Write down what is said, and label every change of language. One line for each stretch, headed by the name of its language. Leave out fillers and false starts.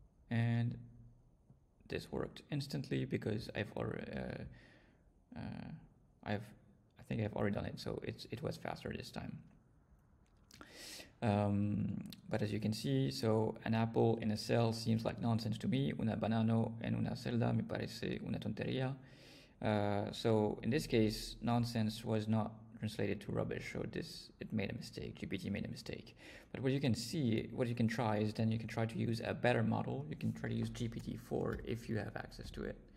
English: And this worked instantly because I've already, I've already done it. So it was faster this time. But as you can see, so an apple in a cell seems like nonsense to me.
Spanish: Una banana en una celda me parece una tontería.
English: So in this case, nonsense was not translated to rubbish. So this, it made a mistake. GPT made a mistake. But what you can see, what you can try is then you can try to use a better model. You can try to use GPT-4 if you have access to it.